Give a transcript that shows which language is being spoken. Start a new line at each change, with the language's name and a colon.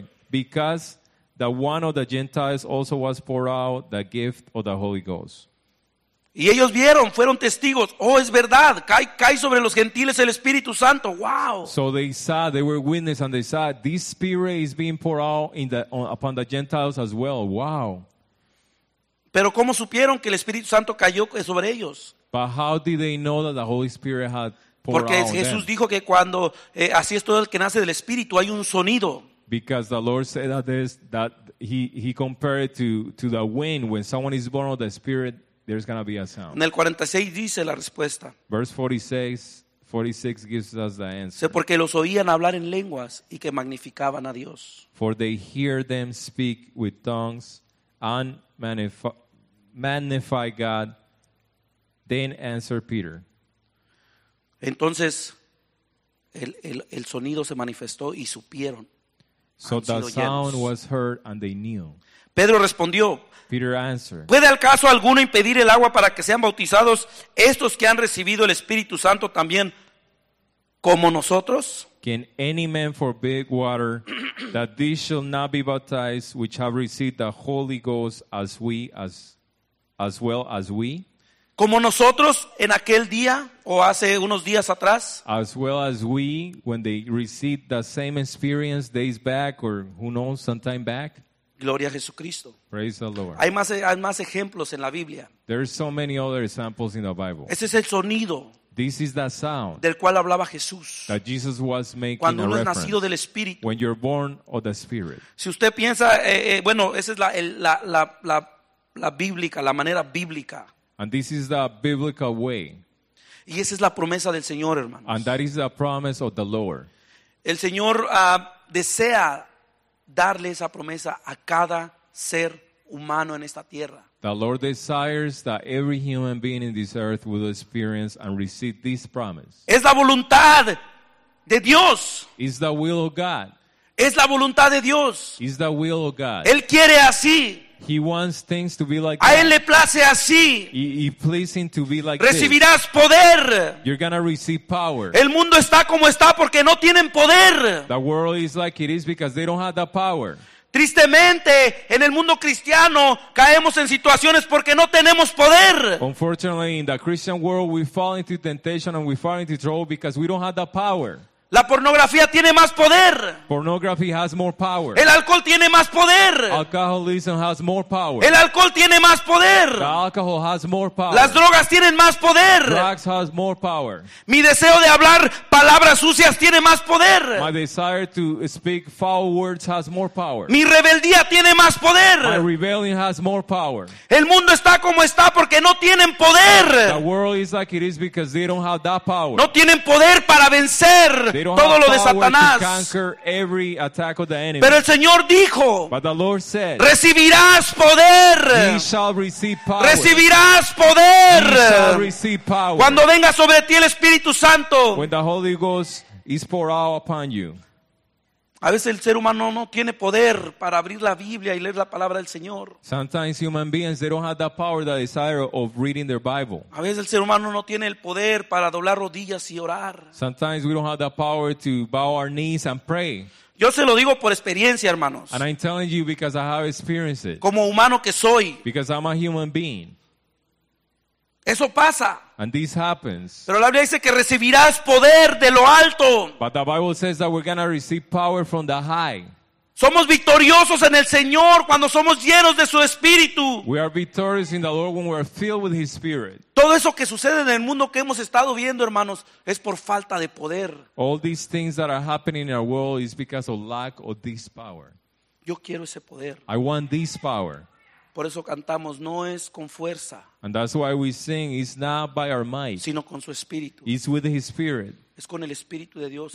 English: Because the one of the Gentiles also was poured out the gift of the Holy Ghost.
Spanish: Y ellos vieron, fueron testigos. Oh, es verdad, cae sobre los gentiles el Espíritu Santo.
English: Wow. So they saw, they were witnesses, and they saw this Spirit is being poured out upon the Gentiles as well. Wow.
Spanish: Pero ¿cómo supieron que el Espíritu Santo cayó sobre ellos?
English: But how did they know that the Holy Spirit had poured out them?
Spanish: Porque Jesús dijo que cuando así es todo el que nace del Espíritu, hay un sonido.
English: Because the Lord said that he compared it to the wind. When someone is born of the Spirit, there's going to be a sound.
Spanish: En el 46 dice la respuesta.
English: Verse 46 gives us the answer.
Spanish: Porque los oían hablar en lenguas y que magnificaban a Dios.
English: For they hear them speak with tongues and magnify God. Then answered Peter.
Spanish: Entonces, el sonido se manifestó y supieron.
English: So the sound was heard and they knew.
Spanish: Pedro respondió.
English: Peter answered.
Spanish: ¿Puede al caso alguno impedir el agua para que sean bautizados estos que han recibido el Espíritu Santo también como nosotros?
English: Can any man forbid water that these shall not be baptized which have received the Holy Ghost as well as we?
Spanish: Como nosotros en aquel día o hace unos días atrás.
English: As well as we, when they received the same experience days back or who knows, sometime back.
Spanish: Gloria a Jesucristo.
English: Praise the Lord.
Spanish: Hay más ejemplos en la Biblia.
English: There are so many other examples in the Bible.
Spanish: Ese es el sonido.
English: This is the sound
Spanish: del cual hablaba Jesús.
English: That Jesus was making
Spanish: cuando uno a es nacido del Espíritu.
English: When you're born of the Spirit.
Spanish: Si usted piensa, esa es la bíblica, la manera bíblica.
English: And this is the biblical way.
Spanish: Y esa es la promesa del Señor, hermanos.
English: And that is the promise of the Lord.
Spanish: El Señor desea darle esa promesa a cada ser humano en esta tierra.
English: The Lord desires that every human being in this earth will experience and receive this promise.
Spanish: Es la voluntad de Dios.
English: It's the will of God.
Spanish: Es la voluntad de Dios.
English: It's the will of God.
Spanish: Él quiere así.
English: He wants things to be like a that.
Spanish: A él le place así.
English: He pleasing to be like
Spanish: recibirás
English: this.
Spanish: Poder.
English: You're going to receive power.
Spanish: El mundo está como está porque no tienen poder.
English: The world is like it is because they don't have the power.
Spanish: Tristemente, en el mundo cristiano caemos en situaciones porque no tenemos poder.
English: Unfortunately, in the Christian world we fall into temptation and we fall into trouble because we don't have the power.
Spanish: La pornografía tiene más poder.
English: Pornography has more power.
Spanish: El alcohol tiene más poder.
English: Alcoholism has more power.
Spanish: El alcohol tiene más poder.
English: The alcohol has more power.
Spanish: Las drogas tienen más poder.
English: Drugs has more power.
Spanish: Mi deseo de hablar palabras sucias tiene más poder.
English: My desire to speak foul words has more power.
Spanish: Mi rebeldía tiene más poder.
English: My rebellion has more power.
Spanish: El mundo está como está porque no tienen poder.
English: The world is like it is because they don't have that power.
Spanish: No tienen poder para vencer todo lo de Satanás. Pero el Señor dijo,
English: said,
Spanish: recibirás poder. Recibirás poder. Cuando venga sobre ti el Espíritu Santo.
English: When the Holy Ghost is poured out upon you.
Spanish: A veces el ser humano no tiene poder para abrir la Biblia y leer la palabra del Señor.
English: Sometimes human beings, they don't have that power, that desire of reading their Bible.
Spanish: A veces el ser humano no tiene el poder para doblar rodillas y orar.
English: Sometimes we don't have that power to bow our knees and pray.
Spanish: Yo se lo digo por experiencia, hermanos.
English: And I'm telling you because I have experienced it.
Spanish: Como humano que soy.
English: Because I'm a human being.
Spanish: Eso pasa.
English: And this happens.
Spanish: Pero la Biblia dice que recibirás poder de lo alto.
English: But the Bible says that we're gonna receive power from the high.
Spanish: Somos victoriosos en el Señor cuando somos llenos de su Espíritu.
English: We are victorious in the Lord when we are filled with His Spirit.
Spanish: Todo eso que sucede en el mundo que hemos estado viendo, hermanos, es por falta de poder.
English: All these things that are happening in our world is because of lack of this power.
Spanish: Yo quiero ese poder.
English: I want this power.
Spanish: Por eso cantamos, no es con fuerza.
English: And that's why we sing, it's not by our might.
Spanish: Sino con su Espíritu.
English: It's with His Spirit.
Spanish: Es con el Espíritu de Dios.